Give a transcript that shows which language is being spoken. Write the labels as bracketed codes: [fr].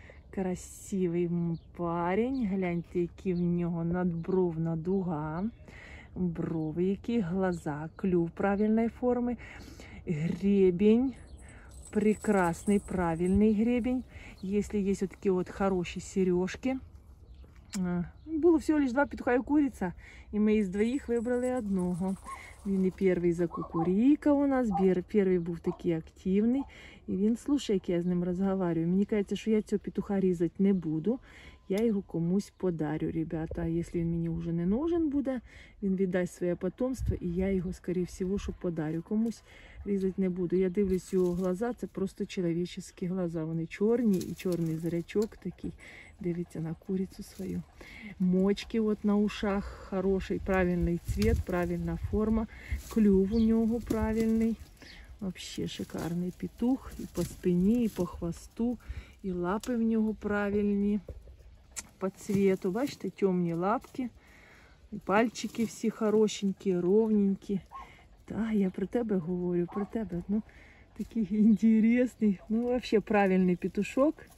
[uk] Красивий парень, гляньте, які в нього надбровна дуга, брови які, глаза, клюв правильної форми, гребінь. [ru] Прекрасный, правильный гребень. Если есть вот такие вот хорошие сережки. Было всего лишь два петуха и курица. И мы из двоих выбрали одного. Он первый за кукурика у нас. Первый был такой активный. И он, слушай, как я с ним разговариваю. Мне кажется, что я этого петуха резать не буду. Я его кому-то подарю, ребята. Если он мне уже не нужен будет, он отдаст свое потомство. И я его, скорее всего, что подарю кому-то. Резать не буду. [uk] Я дивлюсь його глаза, це просто чоловічі глаза. Вони чорні і чорний зрачок такий. Дивиться на курицю свою. Мочки от на ушах. Хороший, правильний цвіт, правильна форма. Клюв у нього правильний. Вообще шикарний петух. І по спині, і по хвосту. І лапи в нього правильні. По цвіту. Бачите, темні лапки. І пальчики всі хорошенькі, ровненькі. Да, я про тебе говорю, про тебе. Ну, такий інтересний. Ну, вообще правильний петушок.